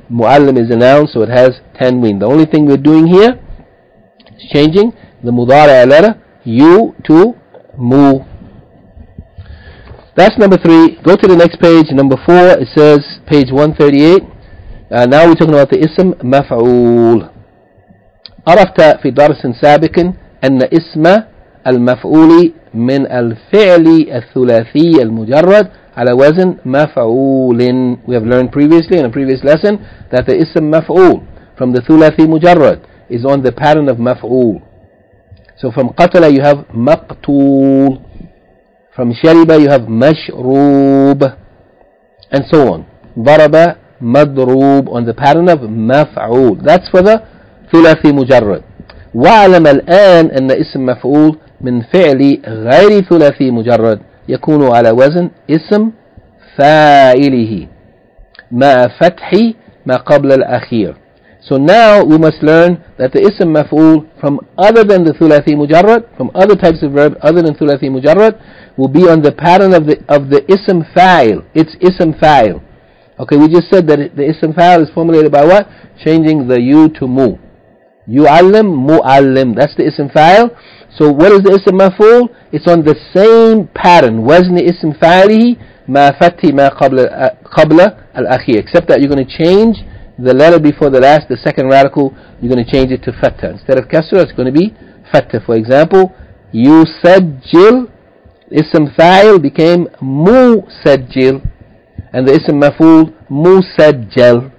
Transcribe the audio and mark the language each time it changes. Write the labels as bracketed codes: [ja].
[en] Mu'allim is a noun, so it has tanween. The only thing we're doing here is changing the mudara letter, yu, to mu. That's number three. Go to the next page, number four. It says, page 138. Now we're talking about the ism maf'ul. [ar] عرفت في درس سابق أن اسم المفعول من الفعل الثلاثي المجرد على وزن مفعول. [en] We have learned previously in a previous lesson that the ism maf'ul from the ثلاثي مجرد is on the pattern of maf'ul. So from قتل you have مقتول. From شرب you have مشروب. And so on. ضرب مضروب on the pattern of مفعول. That's for the ثلاثي مجرد. [ar] وعلم الآن أن اسم مفعول من فعل غير ثلاثي مجرد يكون على وزن اسم فاعله مع فتح ما قبل الأخير. [en] So now we must learn that the اسم مفعول from other than the ثلاثي مجرد, from other types of verb other than ثلاثي مجرد, will be on the pattern of the اسم فاعل. It's اسم فاعل. Okay, we just said that the اسم فاعل is formulated by what? Changing the U to Mu. يُعَلَّمْ مُعَلَّمْ. That's the ism fa'il. So what is the ism maf'ul? It's on the same pattern. [ar] وَزْنِ ism fa'ilihi مَا فَتِّي مَا قَبْلَ الْأَخِيَ. [en] Except that you're going to change the letter before the last, the second radical, you're going to change it to fatta. Instead of kasra, it's going to be fatta. For example, يُسَجِّلْ ism fa'il became مُسَجِّلْ. And the ism maf'ul مُسَجَّلْ.